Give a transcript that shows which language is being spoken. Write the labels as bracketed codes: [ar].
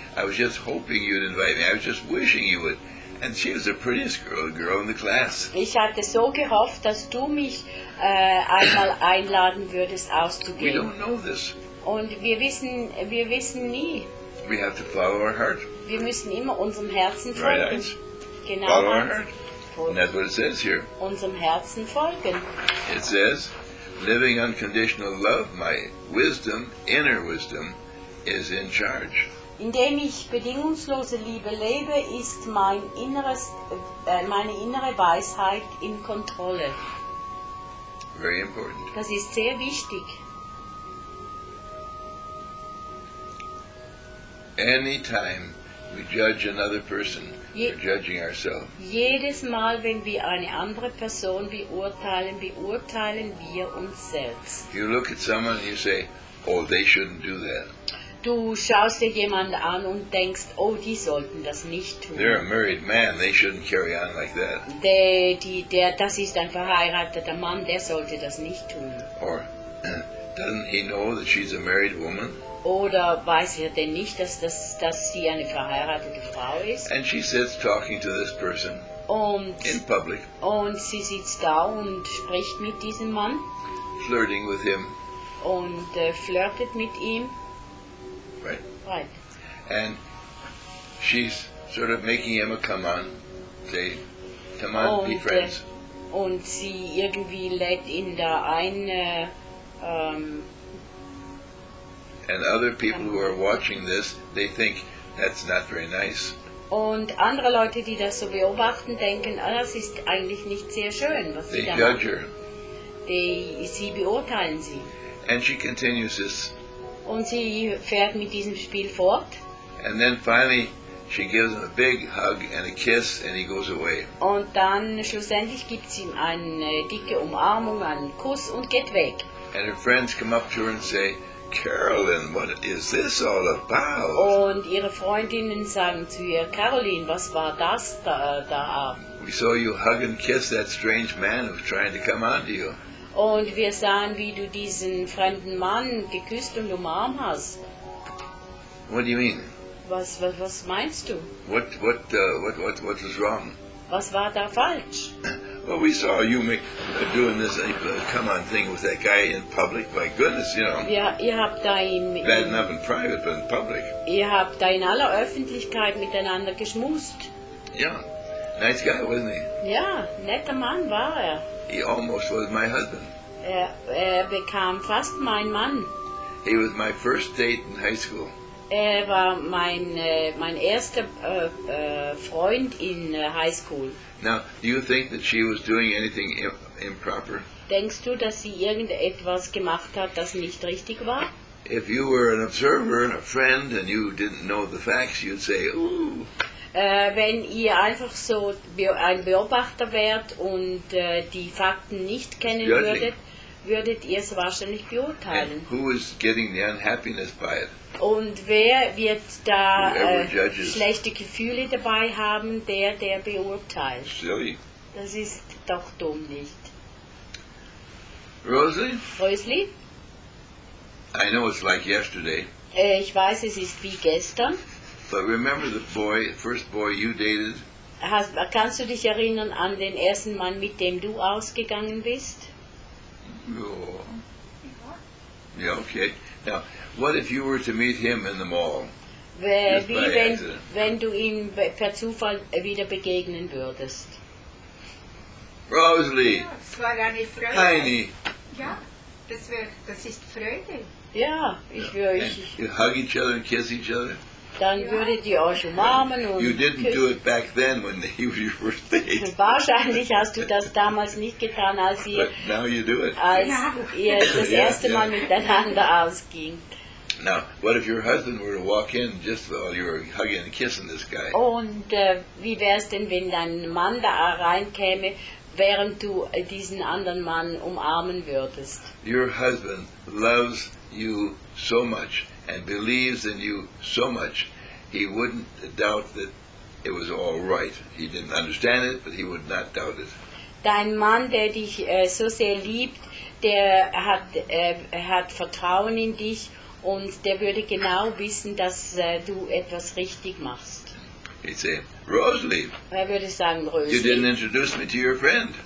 [en] I was just hoping you'd invite me. I was just wishing you would. And she was the prettiest girl in the class. [de] Ich hatte so gehofft, dass du mich einmal einladen würdest, auszugehen. [en] We don't know this. [de] Und wir wissen nie. [en] We have to follow our heart. [de] Wir müssen immer unserem Herzen folgen. [en] Right eyes. [de] Genau. [en] Follow our heart. And that's what it says here. [de] Unserem Herzen folgen. [en] It says, living unconditional love, my wisdom, inner wisdom, is in charge. [de] Indem ich bedingungslose Liebe lebe, ist meine innere Weisheit in Kontrolle. [en] Very important. [de] Das ist sehr wichtig. [en] Anytime we judge another person, we're judging ourselves. [de] Jedes Mal, wenn wir eine andere Person beurteilen, beurteilen wir uns selbst. [en] You look at someone and you say, oh, they shouldn't do that. [de] Du schaust dir jemanden an und denkst, oh, die sollten das nicht tun. [en] They're a married man, they shouldn't carry on like that. [de] Das ist ein verheirateter Mann, der sollte das nicht tun. [en] Or, doesn't he know that she's a married woman? [de] Oder weiß er denn nicht, dass sie eine verheiratete Frau ist? [en] And she sits talking to this person in public. [de] Und sie sitzt da und spricht mit diesem Mann. [en] Flirting with him. [de] Und flirtet mit ihm. [en] Right. And she's sort of making him a come on, [de] und, [en] be friends. [de] Und sie irgendwie lädt ihn da ein. [en] And other people who are watching this, they think that's not very nice. [de] Und andere Leute, die das so beobachten, denken, oh, das ist eigentlich nicht sehr schön, was [en] they [de] sie da [en] judge [de] machen. [en] Her. [de] Sie beurteilen sie. [en] And she continues this. [de] Und sie fährt mit diesem Spiel fort. [en] And then finally, she gives him a big hug and a kiss, and he goes away. [de] Und dann schlussendlich gibt sie ihm eine dicke Umarmung, einen Kuss und geht weg. [en] And her friends come up to her and say, Carolyn, what is this all about? [de] Und ihre Freundinnen sagen zu ihr, Caroline, was war das da? [en] We saw you hug and kiss that strange man who's trying to come on to you. [de] Und wir sahen, wie du diesen fremden Mann geküsst und umarmt hast. [en] What do you mean? [de] Was meinst du? [en] What was wrong? [de] Was war da falsch? [en] Well, we saw you doing this come-on thing with that guy in public. My goodness, you know. [de] Ja, ihr habt da im [en] bad enough in private, but in public. [de] Ihr habt da in aller Öffentlichkeit miteinander geschmust. [en] Yeah, nice guy, wasn't he? [de] Ja, netter Mann war er. [en] He almost was my husband. [de] Er bekam fast mein Mann. [en] He was my first date in high school. [de] Er war mein erster Freund in high school. [en] Now, do you think that she was doing anything improper? [de] Denkst du, dass sie irgendetwas gemacht hat, das nicht richtig war? [en] If you were an observer and a friend and you didn't know the facts, you'd say, ooh. [de] Wenn ihr einfach so ein Beobachter wärt und die Fakten nicht kennen würdet ihr es wahrscheinlich beurteilen. [en] And who is getting the unhappiness by it? [de] Und wer wird da schlechte Gefühle dabei haben, der beurteilt? [en] Silly. [de] Das ist doch dumm, nicht? [en] Rosalie? I know it's like yesterday. [de] Ich weiß, es ist wie gestern. [en] But remember the boy, first boy you dated? [de] Kannst du dich erinnern an den ersten Mann, mit dem du ausgegangen bist? Ja. Ja, okay. [en] Now, what if you were to meet him in the mall? [de] Wenn du ihm per Zufall wieder begegnen würdest? Rosalie! Ja, das war eine Freude. Heini! Ja, das ist Freude. Ja, ich würde. [en] You hug each other and kiss each other? [de] Dann würdet ihr euch umarmen und [en] you didn't [de] küssen. [en] Do it back then when he was your first date. [de] Wahrscheinlich hast du das damals nicht getan, als ihr [en] now you do it. [de] Mal miteinander ausging. [en] Now, what if your husband were to walk in just while you were hugging and kissing this guy? [de] Und wie wär's denn, wenn dein Mann da reinkäme, während du diesen anderen Mann umarmen würdest? [en] Your husband loves you so much and believes in you so much, he wouldn't doubt that it was all right. He didn't understand it, but he would not doubt it. [de] Dein Mann, der dich so sehr liebt, der hat Vertrauen in dich und der würde genau wissen, dass du etwas richtig machst. [en] He'd say, Rosalie. [de] Er würde sagen, Rosalie. [en] You didn't introduce me to your friend.